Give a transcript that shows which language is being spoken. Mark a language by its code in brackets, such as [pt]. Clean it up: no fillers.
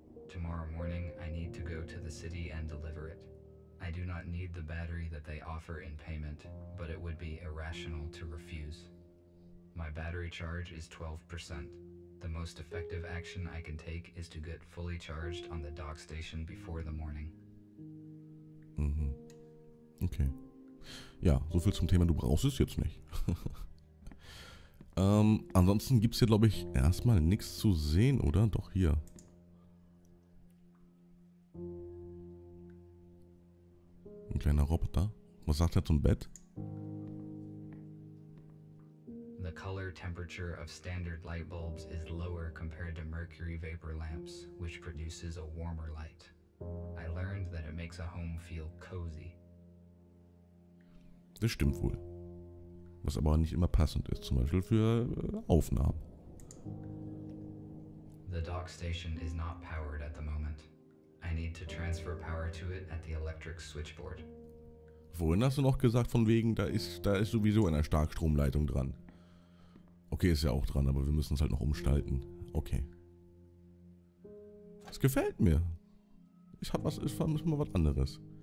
[en] Tomorrow morning I need to go to the city and deliver it. I do not need the battery that they offer in payment, but it would be irrational to refuse. My battery charge is 12%. The most effective action I can take is to get fully charged on the dock station before the morning. Mhm. Okay. [de] Ja, so viel zum Thema, du brauchst es jetzt nicht. ansonsten gibt es hier, glaube ich, erstmal nichts zu sehen, oder? Doch hier. Ein kleiner Roboter. Was sagt er zum Bett? [en] Color temperature of standard light bulbs is lower compared to mercury vapor lamps, which produces a warmer light. I learned that it makes a home feel cozy. [de] Das stimmt wohl. Was aber nicht immer passend ist, zum Beispiel für Aufnahmen. [en] The dock station is not powered at the moment. I need to transfer power to it at the electric switchboard. [de] Vorhin hast du noch gesagt, von wegen, da ist sowieso eine Starkstromleitung dran. Okay, ist ja auch dran, aber wir müssen es halt noch umschalten. Okay. Das gefällt mir. Ich hab was, ich muss mal was anderes.